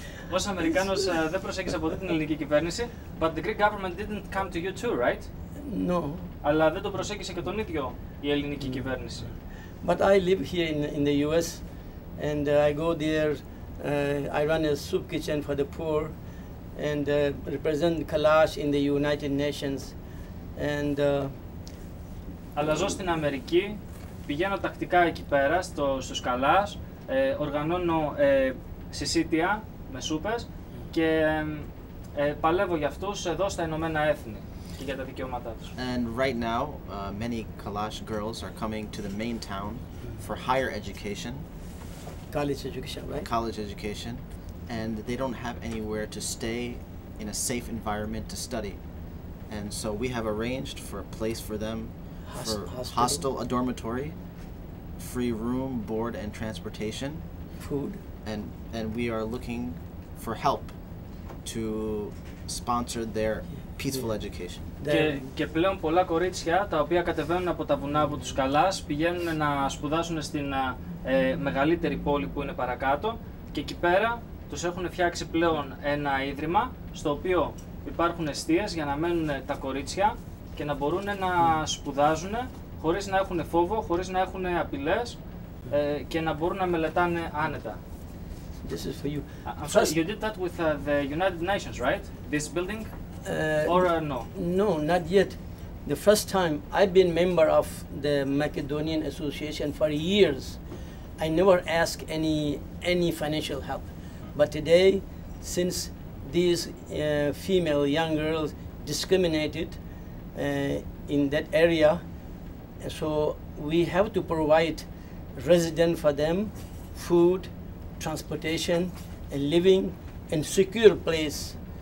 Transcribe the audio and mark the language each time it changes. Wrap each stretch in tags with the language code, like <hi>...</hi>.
<el>Ως Αμερικάνος δεν προσέχεις ποτέ την ελληνική κυβέρνηση,</el> <en>but the Greek government didn't come to you too, right? No.</en> <el>Αλλά δεν το προσέχισε και τον ίδιο η ελληνική κυβέρνηση.</el> <en>But I live here in the U.S. and I go there. I run a soup kitchen for the poor, and represent Kalash in the United Nations. And.</en> <el>Αλλά ζω στην Αμερική, πηγαίνω τακτικά εκεί πέρα στους Καλάς, οργανώνω συσίτια με σούπες και παλεύω για αυτούς εδώ στα Ηνωμένα Έθνη και για τα δικαιώματά τους.</el> <en>And right now, many Kalash girls are coming to the main town for higher education. College education, right? College education, and they don't have anywhere to stay in a safe environment to study, and so we have arranged for a place for them, for hostel, a dormitory, free room, board, and transportation, food, and we are looking for help to sponsor their peaceful education.</en> <el>Και πλέον πολλά κορίτσια τα οποία κατεβαίνουν από τα βουνά από τους Καλάς πηγαίνουν να σπουδάσουν στην μεγαλύτερη πόλη που είναι παρακάτω και εκεί πέρα τους έχουν φτιάξει πλέον ένα ίδρυμα στο οποίο υπάρχουν εστίες για να μένουν τα κορίτσια και να μπορούν να σπουδάζουν χωρίς να έχουν φόβο, χωρίς να έχουν απειλές και να μπορούν να μελετάνε άνετα.</el> <en>This is for you. I'm sorry, you did that with the United Nations, right? This building? Or no? No, not yet. The first time I've been member of the Macedonian Association for years. I never ask any financial help, but today, since these female young girls discriminated in that area, so we have to provide resident for them, food, transportation, and living, and secure place.</en>